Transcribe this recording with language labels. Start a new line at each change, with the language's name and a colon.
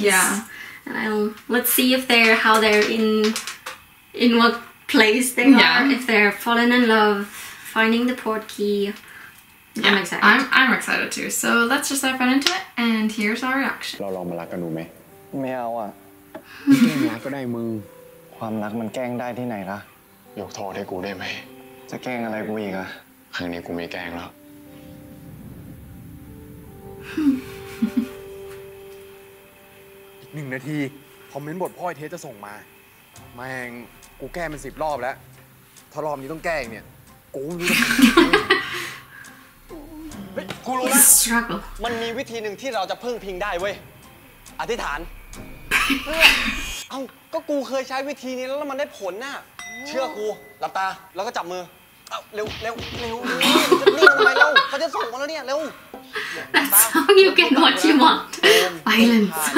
English: Yeah. And let's see if they're how they're in what place they are. Yeah. If they're falling in love, finding the port key. I'm excited too. So let's just dive right into it, and here's our reaction.
Thai: เราลองมารักกันดูไหม ไม่เอาอ่ะ แกล้งรักก็ได้มึงความรักมันแกล้งได้ที่ไหนล่ะ ยกทอดให้กูได้ไหม จะแกล้งอะไรกูอีกอ่ะ ครั้งนี้กูไม่แกล้งแล้ว อีกหนึ่งนาทีคอมเมนต์บทพ่อไอ้เทสจะส่งมาแม่งกูแกล้งเป็น10รอบแล้วถ้ารอบนี้ต้องแกล้งเนี่ยกูกูรู้แล้วมันมีวิธีหนึ่งที่เราจะพึ่งพิงได้เว้ยอธิษฐานเอ้าก็กูเคยใช้วิธีนี้แล้วมันได้ผลน่ะเชื่อกูหลับตาแล้วก็จับมือเอ้าเร็วเร็วเร็วจะรีบทำไมเร็วเขาจะส่งมาแล้วเนี่ยเร็ว
English: That's how you get what you want Violence